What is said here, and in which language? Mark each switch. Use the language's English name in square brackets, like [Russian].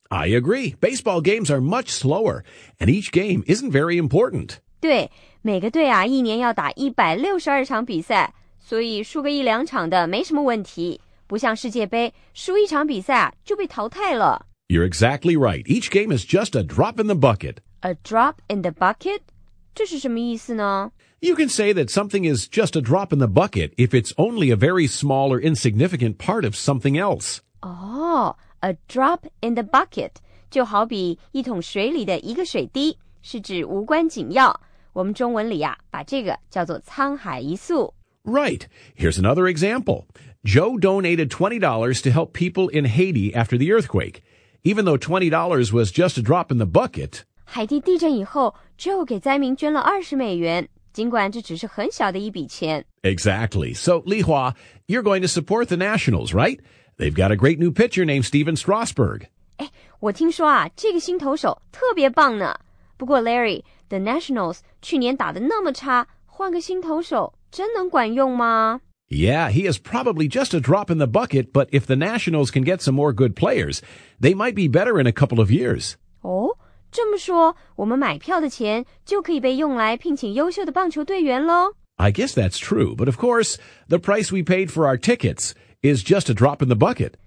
[English] I agree. Baseball games are much slower and each game isn't very important. [Chinese] 对，每个队啊，一年要打162场比赛，所以输个一两场的没什么问题，不像世界杯，输一场比赛就被淘汰了。 [English] You're exactly right. Each game is just a drop in the bucket. [Chinese] A drop in the bucket? 这是什么意思呢？ [English] You can say that something is just a drop in the bucket if it's only a very small or insignificant part of something else. Oh, a drop in the bucket. [Chinese] 就好比一桶水里的一个水滴，是指无关紧要。我们中文里啊，把这个叫做沧海一粟。 [English] Right. Here's another example. Joe donated $20 to help people in Haiti after the earthquake. Even though $20 was just a drop in the bucket. [Chinese] 海地地震以后 ,Joe 给灾民捐了$20,尽管这只是很小的一笔钱。 [English] Exactly. So, Li Hua, you're going to support the Nationals, right? They've got a great new pitcher named Steven Strasburg. [Chinese] 哎，我听说啊，这个新投手特别棒呢。不过 Larry, the Nationals 去年打得那么差，换个新投手真能管用吗？ [English] Yeah, he is probably just a drop in the bucket, but if the Nationals can get some more good players, they might be better in a couple of years. [Chinese] 哦，这么说，我们买票的钱就可以被用来聘请优秀的棒球队员咯？ [English] I guess that's true, but of course, the price we paid for our tickets is just a drop in the bucket.